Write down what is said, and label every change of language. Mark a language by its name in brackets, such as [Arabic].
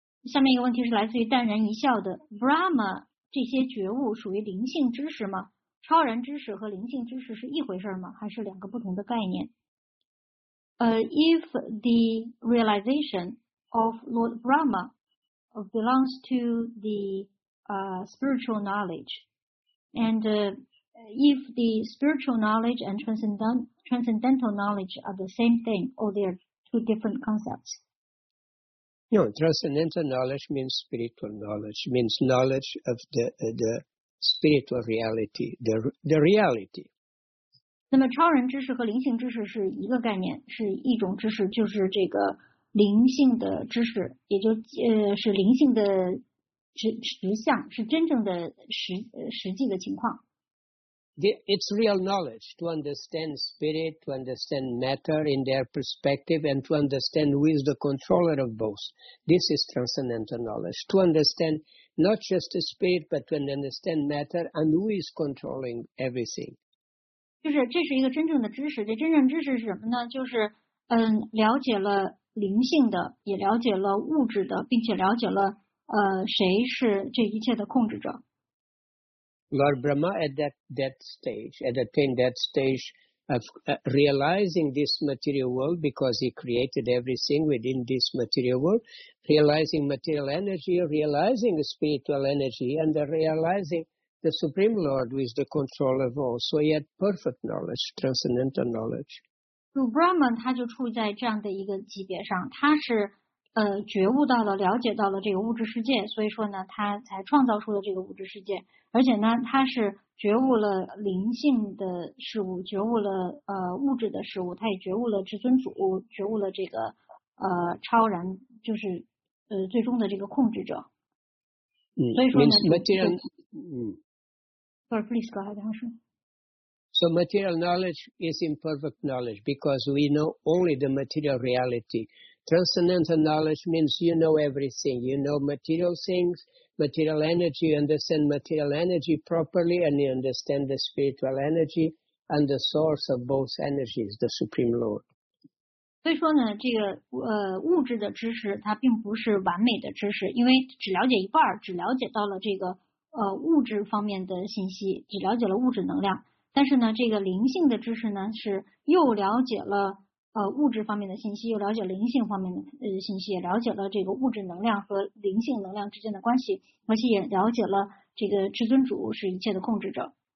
[Chinese] 下面一个问题是来自于淡然一笑的 Brahma， 这些觉悟属于灵性知识吗？超然知识和灵性知识是一回事吗？还是两个不同的概念？ [English] If the realization of Lord Brahma belongs to the spiritual knowledge, and if the spiritual knowledge and transcendental knowledge are the same thing, or they are two different concepts? No, transcendental knowledge means spiritual knowledge, means knowledge of the spiritual reality, the reality. [Chinese] 那么超人知识和灵性知识是一个概念，是一种知识，就是这个灵性的知识，也就是灵性的实相，是真正的实际的情况。 [English] It's real knowledge to understand spirit, to understand matter in their perspective, and to understand who is the controller of both. This is transcendental knowledge. To understand not just the spirit, but to understand matter and who is controlling everything. [Chinese] 就是这是一个真正的知识。这真正知识是什么呢？就是了解了灵性的，也了解了物质的，并且了解了谁是这一切的控制者。 [English] Lord Brahma at that stage, at attained that stage of realizing this material world, because he created everything within this material world, realizing material energy, realizing spiritual energy, and realizing the Supreme Lord who is the controller of all. So he had perfect knowledge, transcendental knowledge. [Chinese] So Brahma, 他就处在这样的一个级别上，他是觉悟到了，了解到了这个物质世界，所以说呢，他才创造出了这个物质世界。而且呢，他是觉悟了灵性的事物，觉悟了物质的事物，他也觉悟了至尊主，觉悟了这个超然，就是最终的这个控制者。嗯，所以说呢，就是 [English] please go ahead, [Chinese] 还是。 [English] So material knowledge is imperfect knowledge because we know only the material reality. Transcendental knowledge means you know everything. You know material things, material energy, you understand material energy properly, and you understand the spiritual energy and the source of both energies, the Supreme Lord. [Chinese] 所以说呢，这个物质的知识它并不是完美的知识，因为只了解一半，只了解到了这个物质方面的信息，只了解了物质能量。但是呢，这个灵性的知识呢，是又了解了物质方面的信息，又了解灵性方面的信息，也了解了这个物质能量和灵性能量之间的关系，而且也了解了这个至尊主是一切的控制者。